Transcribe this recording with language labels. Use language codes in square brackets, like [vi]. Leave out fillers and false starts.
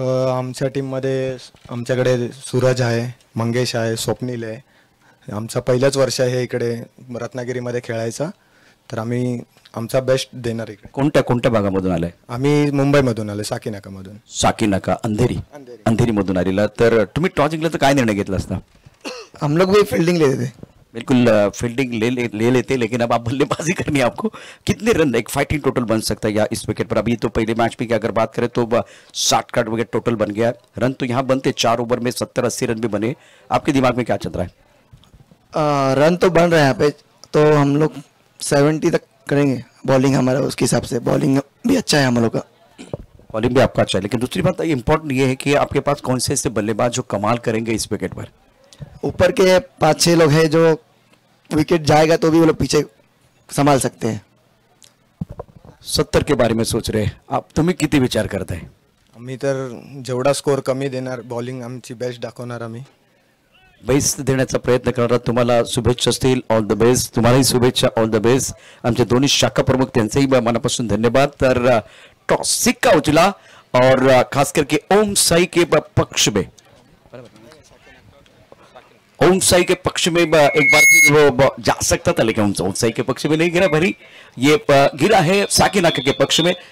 [mr] आमच्या टीम मध्ये आमच्याकडे सूरज आहे, मंगेश आहे, स्वप्नील आहे, आमचं पहिलंच वर्ष आहे इकडे रत्नागिरीमध्ये खेळायचा, तर आम्ही आमचा बेस्ट देणार इकडे। कोणत्या कोणत्या भागामधून आलाय? आम्ही मुंबईमधून आलोय, साकीनाकामधून। साकीनाका अंधेरी, अंधेरी मधून आलेला, तर तुम्ही टॉस जिंकल्याचा काय निर्णय घेतला असता? [hi] आमलोग भी फिल्डिंग लेते थे। बिल्कुल फील्डिंग ले लेते, लेकिन अब आप बल्लेबाजी करनी है आपको। कितने रन एक फाइटिंग टोटल बन सकता है या इस विकेट पर? अभी तो पहले मैच में अगर बात करें तो 60 कट विकेट टोटल बन गया, रन तो यहाँ बनते, 4 ओवर में 70-80 रन भी बने, आपके दिमाग में क्या चल रहा है? रन तो बन रहे हैं यहाँ पे, तो हम लोग 70 तक करेंगे बॉलिंग हमारा, उसके हिसाब से बॉलिंग भी अच्छा है हम लोग का, बॉलिंग भी आपका अच्छा है। लेकिन दूसरी बात इम्पोर्टेंट ये है कि आपके पास कौन से ऐसे बल्लेबाज जो कमाल करेंगे इस विकेट पर? ऊपर के 5-6 लोग हैं जो विकेट जाएगा तो भी वो लोग पीछे संभाल सकते हैं। 70 के बारे में सोच रहे आप, [mr] तुम्ही किती [hi] विचार करते हैं? [mr] आम्ही तर जेवढा स्कोर कमी देणार बॉलिंग आमची बेस्ट दाखवणार आम्ही। 20 देण्याचा प्रयत्न करणार आहोत। तुम्हाला शुभेच्छा असतील, [en] All the best. [mr] तुम्हालाही शुभेच्छा, [en] All the best. [mr] आमचे दोन्ही शाखा प्रमुख त्यांचेही मनापासून धन्यवाद। तर टॉस सिक्का उचला [hi] और खास करके ओम साई के पक्ष में, ओम साई के पक्ष में एक बार फिर वो जा सकता था, लेकिन ओम साई के पक्ष में नहीं गिरा भरी, ये गिरा है साकी नाका के पक्ष में।